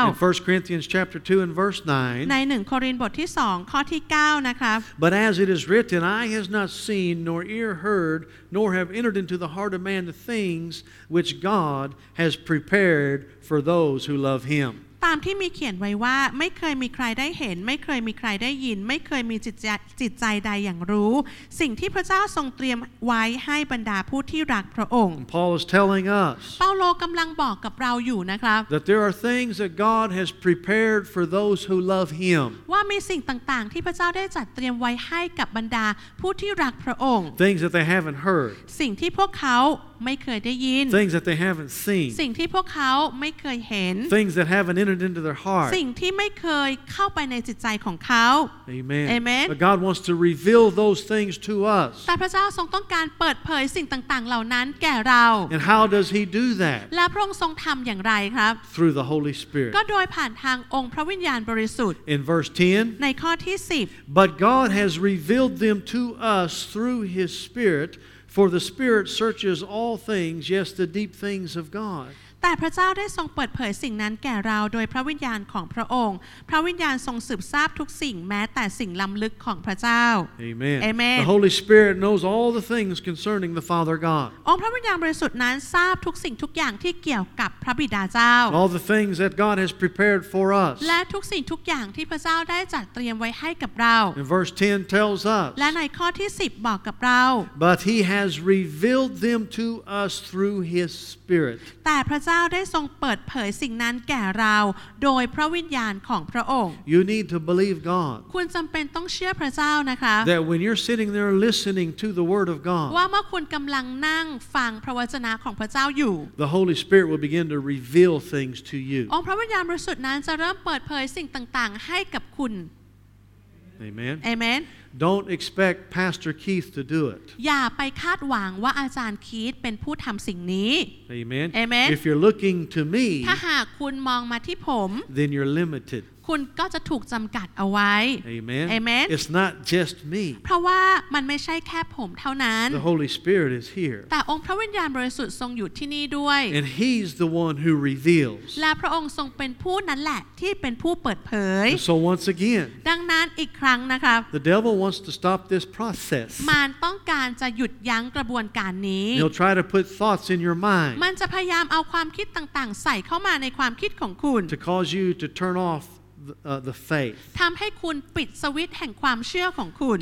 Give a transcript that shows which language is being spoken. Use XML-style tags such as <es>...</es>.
<en>In 1 Corinthians chapter 2 and verse 9</en> <th>ใน1โครินธ์บทที่2ข้อที่9นะครับ</th> <en>But as it is written eye has not seen nor ear heard nor have entered into the heart of man the things whichGod has prepared for those who love Him.</en> <th>ตามที่มีเขียนไว้ว่าไม่เคยมีใครได้เห็นไม่เคยมีใครได้ยินไม่เคยมีจิตใจใดอย่างรู้สิ่งที่พระเจ้าทรงเตรียมไว้ให้บรรดาผู้ที่รักพระองค์</th> <en>Paul is telling us.</en> <th>เปาโลกำลังบอกกับเราอยู่นะครับ</th> <en>That there are things that God has prepared for those who love Him.</en> <th>ว่ามีสิ่งต่างๆที่พระเจ้าได้จัดเตรียมไว้ให้กับบรรดาผู้ที่รักพระองค์</th> <en>Things that they haven't heard.</en> <th>สิ่งที่พวกเขาไม่เคยได้ยิน</th> <en>Things that they haven't seen</en> <th>สิ่งที่พวกเขาไม่เคยเห็น</th> <en>Things that haven't entered into their heart</en> <th>สิ่งที่ไม่เคยเข้าไปในจิตใจของเขา</th> <en>Amen. Amen But God wants to reveal those things to us</en> <th>แต่พระเจ้าทรงต้องการเปิดเผยสิ่งต่างๆเหล่านั้นแก่เรา</th> <en>And how does he do that</en> <th>และพระองค์ทรงทำอย่างไรครับ</th> <en>Through the Holy Spirit</en> <th>ก็โดยผ่านทางองค์พระวิญญาณบริสุทธิ์</th> <en>In verse 10</en> <th>ในข้อที่10</th> <en>But God has revealed them to us through his spirit For the Spirit searches all things, yes, the deep things of God.</en> <th>แต่พระเจ้าได้ทรงเปิดเผยสิ่งนั้นแก่เราโดยพระวิญญาณของพระองค์พระวิญญาณทรงสืบทราบทุกสิ่งแม้แต่สิ่งล้ำลึกของพระเจ้า</th> <en>Amen. Amen. The Holy Spirit knows all the things concerning the Father God.</en> <th>องค์พระวิญญาณบริสุทธิ์นั้นทราบทุกสิ่งทุกอย่างที่เกี่ยวกับพระบิดาเจ้า</th> <en>All the things that God has prepared for us.</en> <th>และทุกสิ่งทุกอย่างที่พระเจ้าได้จัดเตรียมไว้ให้กับเรา</th> <en>And verse 10 tells us.</en> <th>และในข้อที่10บอกกับเรา</th> <en>But he has revealed them to us through his Spirit.</en> <th>แต่พระเจ้าได้ทรงเปิดเผยสิ่งนั้นแก่เราโดยพระวิญญาณของพระองค์</th> <en>You need to believe God.</en> <th>คุณจำเป็นต้องเชื่อพระเจ้านะคะ</th> <en>That when you're sitting there listening to the word of God.</en> <th>ว่าเมื่อคุณกำลังนั่งฟังพระวจนะของพระเจ้าอยู่</th> <en>The Holy Spirit will begin to reveal things to you.</en> <th>องค์พระวิญญาณบริสุทธิ์นั้นจะเริ่มเปิดเผยสิ่งต่างๆให้กับคุณ</th> <en>Amen. Amen. Don't expect Pastor Keith to do it.</en> <th>อย่าไปคาดหวังว่าอาจารย์คีธเป็นผู้ทำสิ่งนี้</th> <en>Amen. Amen. If you're looking to me,</en> <th>ถ้าหากคุณมองมาที่ผม</th> <en>then you're limited.</en> <th>คุณก็จะถูกจำกัดเอาไว้</th> <en>Amen. Amen. It's not just me.</en> <th>เพราะว่ามันไม่ใช่แค่ผมเท่านั้น</th> <en>The Holy Spirit is here.</en> <th>แต่องค์พระวิญญาณบริสุทธิ์ทรงอยู่ที่นี่ด้วย</th> <en>And He's the one who reveals.</en> <th>และพระองค์ทรงเป็นผู้นั้นแหละที่เป็นผู้เปิดเผย</th> <en>So once again,</en> <th>ดังนั้นอีกครั้งนะคะ</th> <en>The devilwants to stop this process.</en> <th>มันต้องการจะหยุดยั้งกระบวนการนี้</th> <en>He'll try to put thoughts in your mind.</en> <th>มันจะพยายามเอาความคิดต่างๆใส่เข้ามาในความคิดของคุณ</th> <en>To cause you to turn off the faith.</en> <th>ทำให้คุณปิดสวิตช์แห่งความเชื่อของคุณ</th>